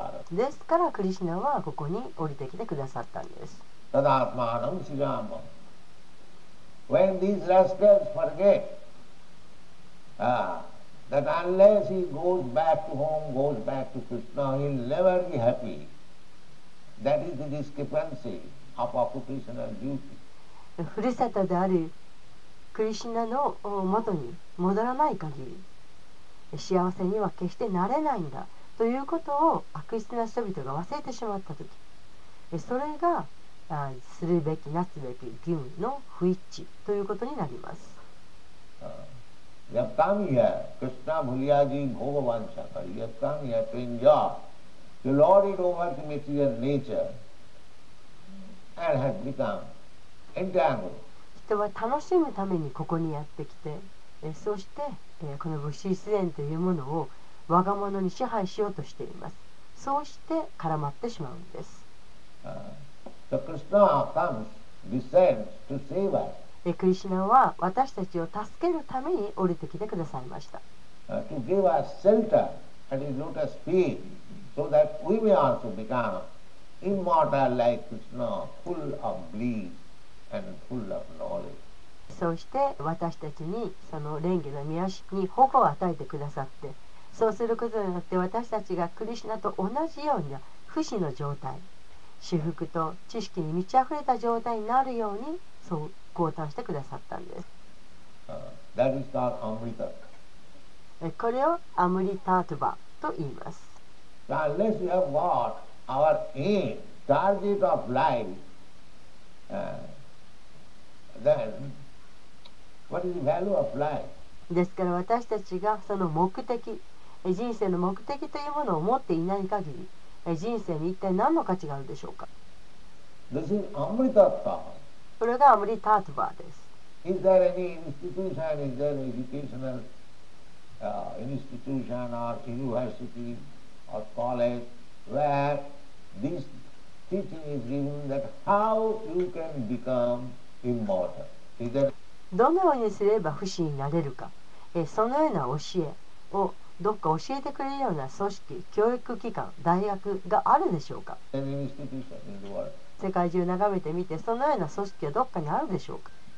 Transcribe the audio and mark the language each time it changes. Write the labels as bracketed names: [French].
[Japanese] ですからクリシナはここに降りてきてくださったんです。ただアスマーナムシラーマン。 [English] When these rascals forget, That unless he goes back to home, goes back to Krishna, he'll never be happy. That is the discrepancy of occupational duty. [Japanese] ふるさとであるクリシナの元に戻らない限り、幸せには決してなれないんだということを悪質な人々が忘れてしまったとき、それがするべき、なすべき義務の不一致ということになります。 [English] You have come here, Krishna Bhuliyaji Bhogavan Shankar. You have come here to enjoy, to lord it over the material nature, and has become entangled. [Japanese] 人は楽しむためにここにやってきて、そしてこの物質自然というものを我が物に支配しようとしています。そうして絡まってしまうんです。 [English] So Krishna comes, descends to save us. [Japanese] クリシュナは私たちを助けるために降りてきてくださいました。 [English] To give us shelter at his lotus feet so that we may also become immortal like Krishna, full of bliss and full of knowledge。 [Japanese] そして私たちにその蓮華の御足に保護を与えてくださって、そうすることによって私たちがクリシュナと同じような不死の状態、至福と知識に満ち溢れた状態になるようにそう降誕してくださったんです。 [English] That is called Amrita。 [Japanese] これをアムリタートゥバと言います。 [English] Unless you have got our aim, target of life, thenWhat is the value of life? [Japanese] ですから私たちがその目的、人生の目的というものを持っていない限り、人生に一体何の価値があるでしょうか。 [English] This is Amritatva. [Japanese] これがアムリタートゥバです。 [English] Is there any institution, is there an educational institution or university or college where this teaching is given that how you can become immortal? Is there? [Japanese] どのようにすれば不死になれるか、そのような教えをどっか教えてくれるような組織、教育機関、大学があるでしょうか。世界中眺めてみて、そのような組織はどっかにあるでしょうか。